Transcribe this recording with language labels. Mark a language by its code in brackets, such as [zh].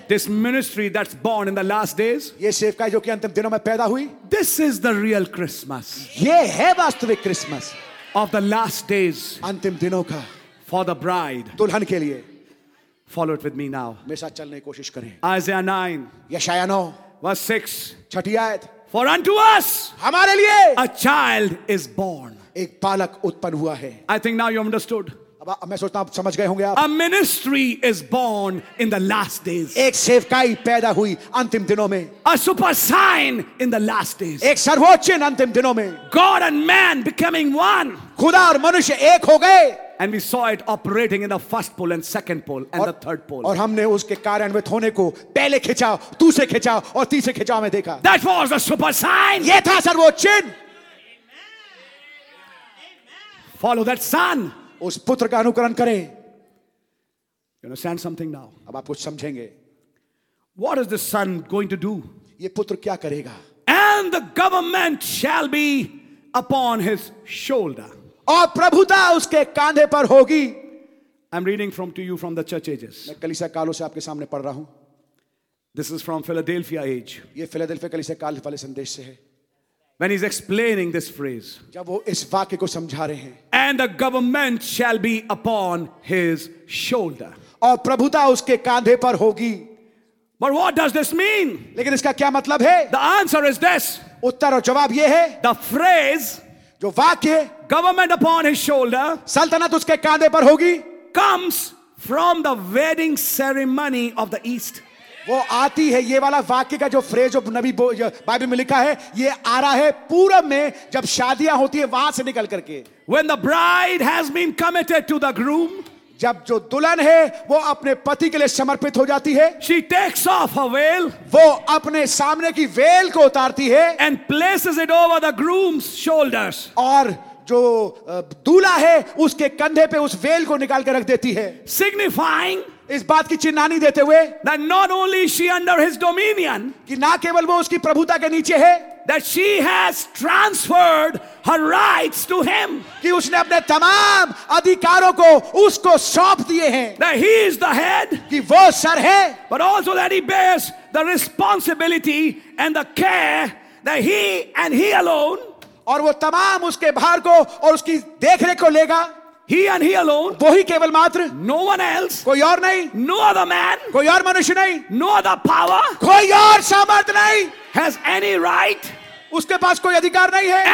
[en] This ministry that's born in the last days. [hi] ये सेवकाई जो कि अंतिम दिनों में पैदा हुई. [en] This is the real Christmas. [hi] ये है वास्तविक Christmas. [en] Of the last days. [hi] अंतिम दिनों का. [en] For the bride. [hi] दुल्हन के लिए. [en] Follow it with me now. [hi] मेरे साथ चलने की कोशिश करें. [en] Isaiah 9. [hi] यशायाह 9. [en] Verse 6. [hi] छठी आयत. [en] For unto us. [hi] हमारे लिए. [en] A child is born. [hi] एक बालक उत्पन्न हुआ है. [en] I think now you understood. [hi] मैं सोचता हूं आप समझ गए होंगे. [en] A ministry is born in the last days. [hi] एक सेवकाई पैदा हुई अंतिम दिनों में. [en] A super sign in the last days. [hi] एक सर्वोच्च चिन्ह अंतिम दिनों में. [en] God and man becoming one. [hi] खुदा और मनुष्य एक हो गए. [en] And we saw it operating in the first pole and second pole and the third pole. [hi] और हमने उसके कार्यान्वित होने को पहले खिंचाव, दूसरे खिंचाव और तीसरे खिंचाव में देखा. [en] That was a super sign. [hi] ये था सर्वोच्च चिन्ह. [en] Follow that sign. [hi] उस पुत्र का अनुकरण करें. [en] You understand something now? [hi] अब आप कुछ समझेंगे. [en] What is the son going to do? [hi] ये पुत्र क्या करेगा? [en] And the government shall be upon his shoulder. [hi] और प्रभुता उसके कांधे पर होगी. [en] I'm reading from to you from the church ages. [hi] मैं कलीसिया कालों से आपके सामने पढ़ रहा हूं. [en] This is from Philadelphia age. [hi] ये फिलाडेल्फिया कलीसिया काल वाले संदेश से है. [en] When he's explaining this phrase, [hi] जब वो इस वाक्य को समझा रहे हैं, [en] and the government shall be upon his shoulder, [hi] और प्रभुता उसके कांधे पर होगी. [en] But what does this mean? [hi] लेकिन इसका क्या मतलब है? [en] The answer is this. [hi] उत्तर और जवाब ये है. [en] The phrase, [hi] जो वाक्य, [en] government upon his shoulder, [hi] सल्तनत उसके कांधे पर होगी, [en] comes from the wedding ceremony of the East. [hi] वो आती है. ये वाला वाक्य का जो फ्रेज जो नबी बाइबल में लिखा है, ये आ रहा है पूरब में जब शादियां होती है वहां से निकल करके. [en] When the bride has been committed to the groom, [hi] जब जो दुल्हन है वो अपने पति के लिए समर्पित हो जाती है. [en] She takes off her veil, [hi] वो अपने सामने की वेल को उतारती है. [en] And places it over the groom's shoulders, [hi] और जो दूल्हा है उसके कंधे पे उस वेल को निकाल कर रख देती है. [en] signifying, [hi] इस बात की चिन्हानी देते हुए, [en] that not only she under his dominion, [hi] कि ना केवल वो उसकी प्रभुता के नीचे है, [en] that she has transferred her rights to him, [hi] कि उसने अपने तमाम अधिकारों को उसको सौंप दिए हैं, [en] that he is the head, [hi] कि वो सर है, [en] but also that he bears the responsibility and the care that he and he alone, [hi] और वो तमाम उसके भार को और उसकी देखरेख को लेगा. [en] He and he alone, [hi] वो ही केवल मात्र, [en] no one else, [hi] कोई और नहीं, [en] no other man, [hi] कोई और मनुष्य नहीं, [en] no other power, [hi] कोई और सामर्थ नहीं, [en] has any right, [hi] उसके पास कोई अधिकार नहीं है,